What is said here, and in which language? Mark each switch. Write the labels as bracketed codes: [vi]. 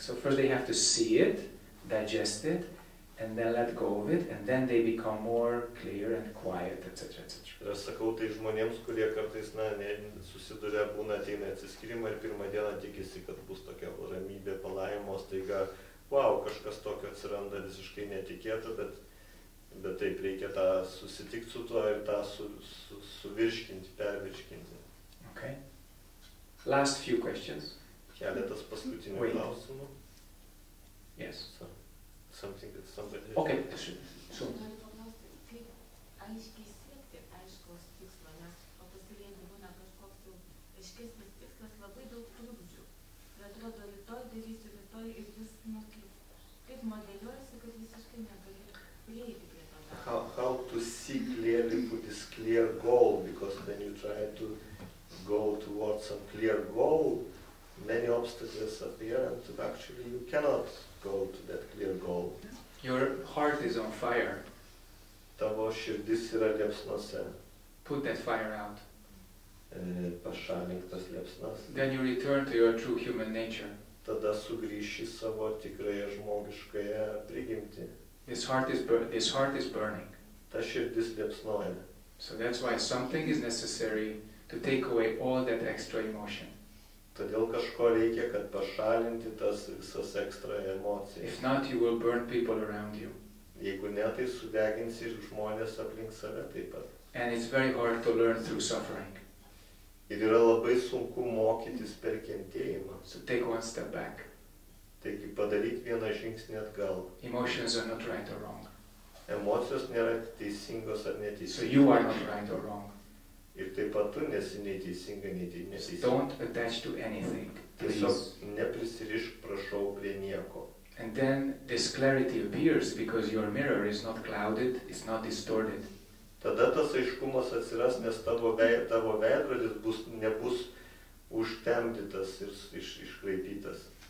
[en] So first they have to see it, digest it, and then let go of it, and then they become more clear and quiet, etc., etc. [lt] Aš sakau tai žmonėms, kurie kartais, na, susiduria, būna, ateina atsiskirimą ir pirmą dieną tikisi, kad bus tokia ramybė, palaimo, staiga, wow, kažkas tokio atsiranda visiškai netikėta, bet taip reikia tą susitikti su tuo ir tą suvirškinti, pervirškinti. [en] Okay. Last few questions. [lt] Keletas paskutinių klausimų. [en] Yes. Something that somebody... Okay. [lt] Aiškiai siekti aiškaus tikslo, nes o pasirinkti būna kažkoks viskas labai daug trukdžių. Ir atrodo, rytoj darysiu, rytoj ir vis, nu, kaip modeliuosi, kad visiškai negaliu prieiti prie to. [en] How to see clearly put this clear goal, because when you try to go towards some clear goal, many obstacles appear, and actually you cannot go to that clear goal. Your heart is on fire. [lt] Tavo širdis yra liepsnose. [en] Put that fire out. [lt] Pašalink tas liepsnas. [en] Then you return to your true human nature. [lt] Tada sugrįši savo tikrąją žmogiškąją prigimtį. [en] His heart is burning. [lt] Ta širdis liepsnoja. [en] So that's why something is necessary to take away all that extra emotion. [lt] Todėl kažko reikia, kad pašalinti tas visas ekstra emocijas. [en] If not, you will burn people around you. [lt] Jeigu ne, tai sudeginsi žmonės aplink save taip pat. [en] And it's very hard to learn through suffering. [lt] Ir yra labai sunku mokytis per kentėjimą. [en] So take one step back. [lt] Taigi padaryti vieną žingsnį atgal. [en] Emotions are not right or wrong. [lt] Emocijos nėra teisingos ar neteisingos. [en] So you are not right or wrong. [lt] Ir taip pat tu nesi neteisinga, neteisinga. [en] Don't attach to anything, please. [lt] Tiesiog neprisirišk, prašau, prie nieko. [en] And then this clarity appears because your mirror is not clouded, it's not distorted. [lt] Tada tas aiškumas atsiras, nes tavo veidrodis nebus užtemdytas ir iškraipytas.